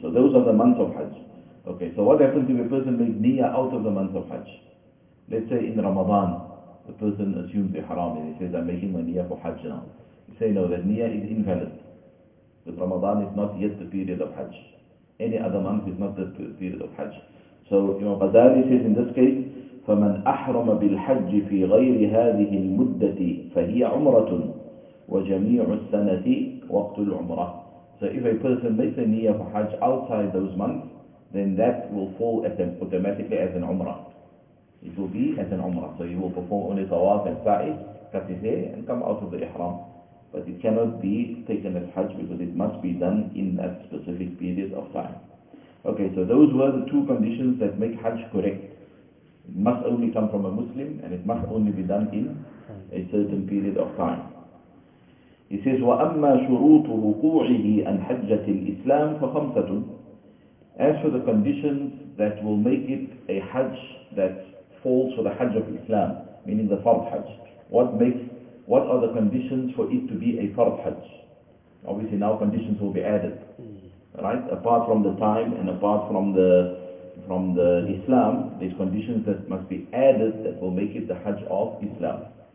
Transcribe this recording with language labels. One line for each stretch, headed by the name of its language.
English: So those are the months of Hajj. Okay, so what happens if a person makes niyyah out of the month of Hajj? Let's say in Ramadan, the person assumes the haram and he says, I'm making my niyyah for Hajj now. You say, no, that niyyah is invalid. But Ramadan is not yet the period of Hajj. Any other month is not the period of Hajj. So Imam Ghazali says in this case,
Arabic: فَمَنْ أَحْرَمَ بِالْحَجِّ فِي غَيْرِ هَذِهِ الْمُدَّةِ فَهِيَ عُمْرَةٌ وَجَمِيعُ السَّنَةِ وَقْتُ الْعُمْرَةِ.
English: So if a person makes a niyyah for Hajj outside those months, then that will fall as an, automatically as an Umrah. It will be as an Umrah. So you will perform only tawaf and sa'i, cut his hair, and come out of the ihram. But it cannot be taken as Hajj because it must be done in that specific period of time. Okay, so those were the two conditions that make Hajj correct. It must only come from a Muslim, and it must only be done in a certain period of time. He says,
Arabic: وَأَمَّا شُرُوطُ وُقُوعِهِ أَنْ حَجَّةِ الْإِسْلَامِ فَخَمْسَةٌ.
English: As for the conditions that will make it a Hajj that falls for the Hajj of Islam, meaning the Fard Hajj, what are the conditions for it to be a Fard Hajj? Obviously now conditions will be added, right? Apart from the time and apart from the Islam, there's conditions that must be added that will make it the Hajj of Islam.